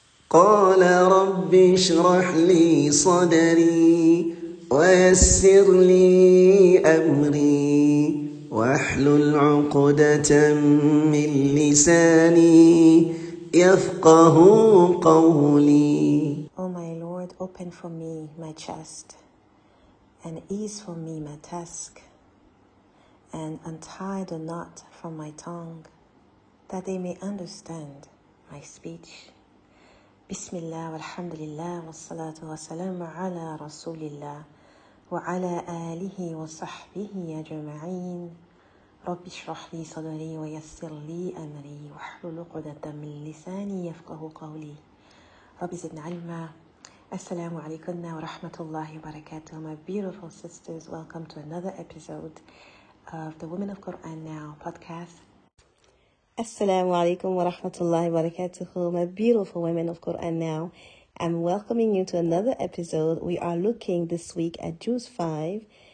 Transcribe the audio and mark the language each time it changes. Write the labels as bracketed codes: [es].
[ar] قال رب اشرح لي صدري ويسر لي أمري واحلل عقدة من لساني يفقه قولي. [en] Oh my Lord, open for me my chest and ease for me my task and untie the knot from my tongue that they may understand my speech. [ar] بسم الله والحمد لله والصلاة والسلام على رسول الله وعلى آله وصحبه أجمعين رب اشرح لي صدري ويسر لي أمري واحلل عقدة من لساني يفقه قولي رب زدنا علما. السلام عليكم ورحمة الله وبركاته. [en] My beautiful sisters, welcome to another episode of the Women of Quran Now podcast. [ar] Assalamu alaikum wa rahmatullahi wa barakatuhu, [en] my beautiful women of Quran Now. I'm welcoming you to another episode. We are looking this week at Juzz 5.